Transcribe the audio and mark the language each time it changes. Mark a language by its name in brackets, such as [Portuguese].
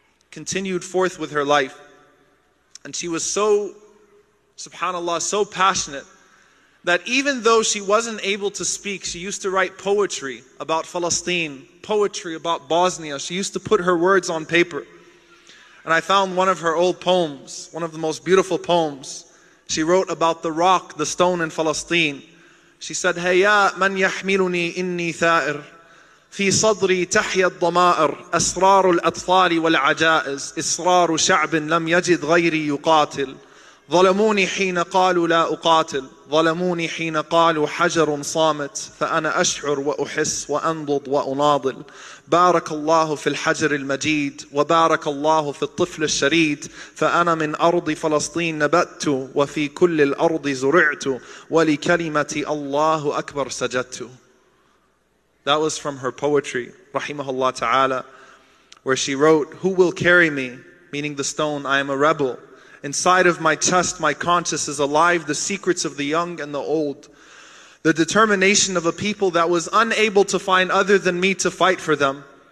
[English] Continued forth with her life. And she was so, subhanAllah, so passionate that even though she wasn't able to speak, she used to write poetry about Palestine, poetry about Bosnia. She used to put her words on paper. And I found one of her old poems, one of the most beautiful poems. She wrote about the rock, the stone in Palestine. She said, [Arabic] هيا من يحملني إني ثائر في صدري تحيا الضمائر أسرار الأطفال والعجائز إصرار شعب لم يجد غيري يقاتل ظلموني حين قالوا لا أقاتل ظلموني حين قالوا حجر صامت فأنا أشعر وأحس وأنضض وأناضل بارك الله في الحجر المجيد وبارك الله في الطفل الشريد فأنا من أرض فلسطين نبت وفي كل الأرض زرعت ولكلمة الله أكبر سجدت. [English] That was from her poetry, [Arabic] رحمه الله تعالى, [English] where she wrote, who will carry me, meaning the stone, I am a rebel. Inside of my chest, my conscience is alive, the secrets of the young and the old. The determination of a people that was unable to find other than me to fight for them.